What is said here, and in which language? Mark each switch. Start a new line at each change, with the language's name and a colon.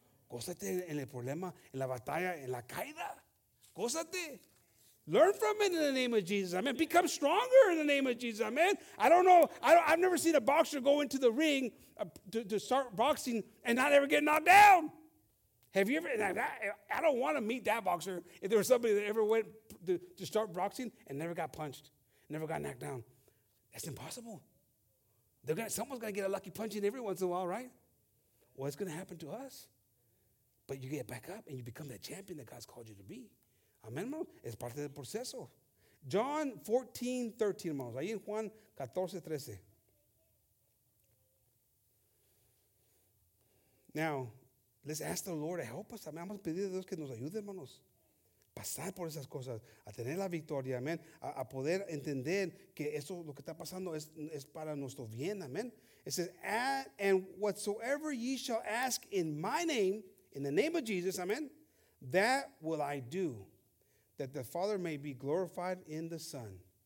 Spanish: Gózate en el problema, en la batalla, en la caída. Gózate.
English: Learn from it in the name of Jesus. Amen. Become stronger in the name of Jesus. Amen. I don't know. I've never seen a boxer go into the ring to start boxing and not ever get knocked down. Have you ever? I don't want to meet that boxer. If there was somebody that ever went to start boxing and never got punched, never got knocked down, that's impossible. Someone's going to get a lucky punch in every once in a while, right? Well, it's going to happen to us. But you get back up and you become that champion that God's called you to be.
Spanish: Amen, hermano? Es parte del proceso. John 14:13, hermanos. Ahí en Juan 14:13.
English: Now, Let's ask the Lord to help us.
Spanish: Amén. Vamos a pedir a Dios que nos ayude, hermanos. Pasar por esas cosas, a tener la victoria, amén. A poder entender que eso, lo que está pasando es para nuestro bien, amén.
English: It says, and whatsoever ye shall ask in my name, in the name of Jesus, amén, that will I do, that the Father may be glorified in the Son.